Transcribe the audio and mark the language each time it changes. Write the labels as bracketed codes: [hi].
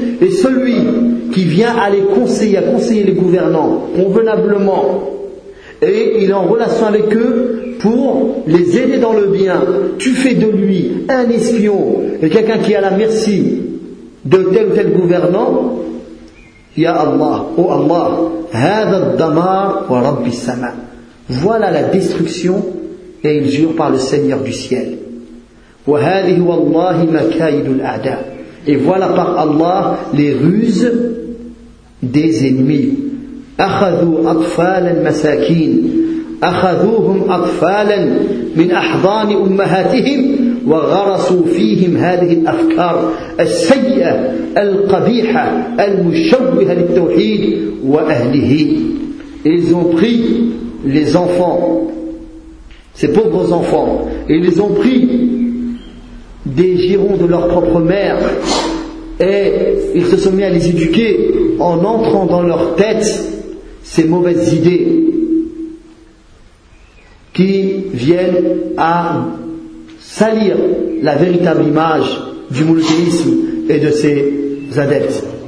[fr] Et celui qui vient à les conseiller, à conseiller les gouvernants convenablement, et il est en relation avec eux pour les aider dans le bien, tu fais de lui un espion et quelqu'un qui est à la merci de tel ou tel gouvernant. [ar] Ya Allah, oh Allah, هذا الدمار ورب السماء. [fr] Voilà la destruction, et il jure par le Seigneur du ciel. [ar] وهذه والله مكايد الأعداء. [fr] Et voilà par Allah les ruses des ennemis. [ar] أخذوا أطفالا مساكين أخذوهم أطفالا من أحضان أمهاتهم وغرسوا فيهم هذه الأفكار السيئة القبيحة المشوهة للتوحيد وأهله. [fr] Ils ont pris les enfants, ces pauvres enfants, et ils ont pris des girons de leur propre mère et ils se sont mis à les éduquer en entrant dans leur tête ces mauvaises idées qui viennent à salir la véritable image du monothéisme et de ses adeptes.